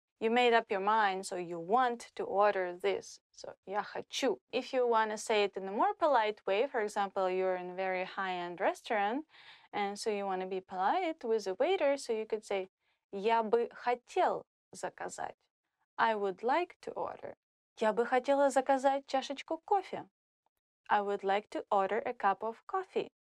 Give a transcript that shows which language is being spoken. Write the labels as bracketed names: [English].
[English] You made up your mind, so you want to order this. [Russian] So, я хочу. [English] If you want to say it in a more polite way, for example, you're in a very high-end restaurant, and so you want to be polite with the waiter, so you could say, [Russian] я бы хотел заказать. [English] I would like to order. [Russian] Я бы хотела заказать чашечку кофе. [English] I would like to order a cup of coffee.